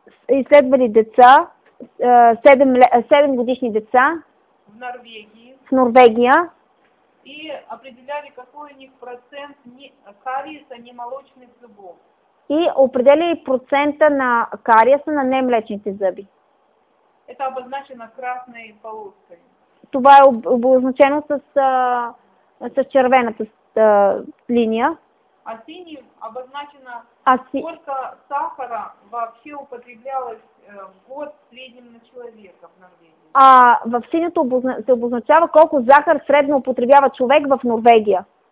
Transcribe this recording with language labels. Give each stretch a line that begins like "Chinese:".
Bulgarian: Изследвали деца, 7 годишни деца. В Норвегия.
Russian: И определяли, какой у них процент кариеса немолочных зубов.
Bulgarian: И определяли процента на кариеса на немлечните зъби.
Russian: Это обозначено красной полоской.
Bulgarian: Това е обозначено с червената линия.
Russian: А синим обозначено сколько сахара вообще употреблялось в год в среднем на человека в Норвегии.
Bulgarian: А в синьото се обозначава колко захар средно употребява човек в Норвегия.